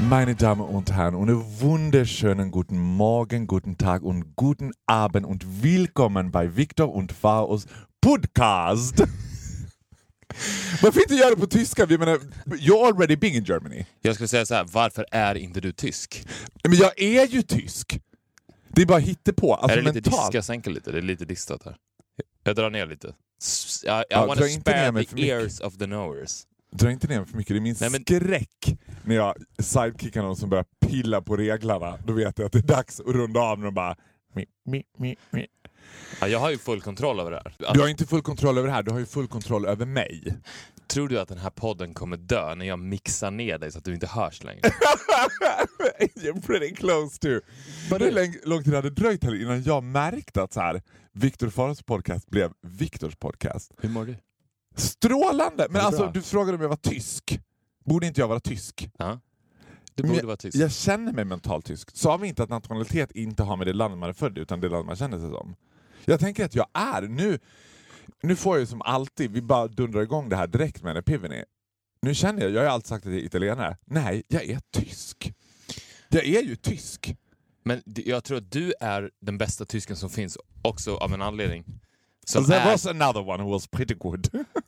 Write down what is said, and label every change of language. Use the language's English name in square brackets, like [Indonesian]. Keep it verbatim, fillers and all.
[German] Meine Damen und Herren, einen wunderschönen guten Morgen, guten Tag und guten Abend und willkommen bei Victor und Pharaohs Podcast. [Swedish] Varför inte göra det på tyska? Jag menar, [English] you're already being in Germany. [Swedish] Jag skulle säga så här, varför är inte du tysk? Men jag är ju tysk. Det är bara hittepå. Alltså, är det lite mentalt. Diska sänker lite? Det är lite distat här. Jag drar ner lite. [English] I, I ja, want to spare the ears of the knowers. [Swedish] Dra inte ner mig för mycket. Det är min Nej, men... skräck när jag sidekickar någon som börjar pilla på reglarna. Då vet jag att det är dags att runda av och bara... Mi, mi, mi, mi. Ja, jag har ju full kontroll över det här. Alltså, du har inte full kontroll över det här, du har ju full kontroll över mig. Tror du att den här podden kommer dö när jag mixar ner dig så att du inte hörs längre? [English] You're pretty close to. [Swedish] But hur lång, lång tid hade dröjt här innan jag märkte att så här, Victor Faros podcast blev Victors podcast. Hur mår du? Strålande! Men alltså, bra? Du frågade om jag var tysk. Borde inte jag vara tysk? Ja. Uh-huh. Du borde jag, vara tysk. Jag känner mig mentalt tysk. Sa vi inte att nationalitet inte har med det land man är född utan det land man känner sig som? Jag tänker att jag är nu. Nu får jag ju som alltid, vi bara dundrar igång det här direkt med en epiveni. Nu känner jag, jag har ju alltid sagt att jag är italienare. Nej, jag är tysk. Jag är ju tysk. Men jag tror att du är den bästa tysken som finns också av en anledning. Som [English] There [Swedish] är... [English] was another one who was pretty good.